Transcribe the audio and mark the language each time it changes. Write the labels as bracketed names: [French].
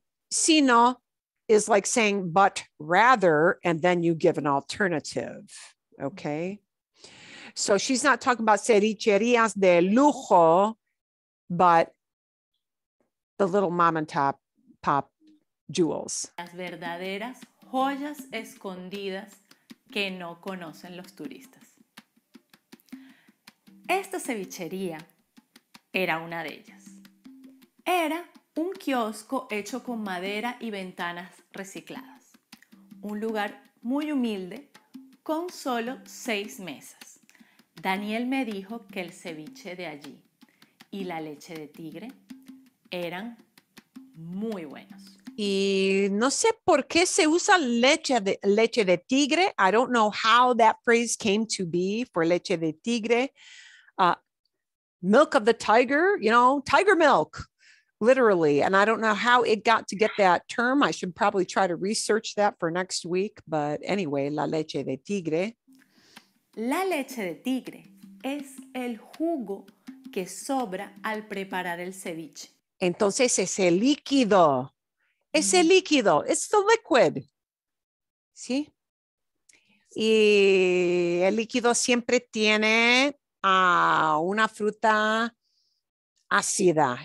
[English] Sino is like saying, but rather, and then you give an alternative, okay? So she's not talking about [Spanish] cevicherías de lujo, [English] but the little mom and pop jewels. [Spanish] Las verdaderas joyas escondidas que no conocen los turistas. Esta cevichería era una de ellas. Era un kiosco hecho con madera y ventanas recicladas. Un lugar muy humilde, con solo 6 mesas. Daniel me dijo que el ceviche de allí y la leche de tigre eran muy buenos. Y no sé por qué se usa leche de tigre. [English] I don't know how that phrase came to be for leche de tigre. Milk of the tiger, you know, tiger milk. Literally, and I don't know how it got to get that term. I should probably try to research that for next week. But anyway, [Spanish] la leche de tigre. La leche de tigre es el jugo que sobra al preparar el ceviche. Entonces ese líquido. Ese líquido. [English] It's the liquid. [Spanish] ¿Sí? Y el líquido siempre tiene una fruta... ácida.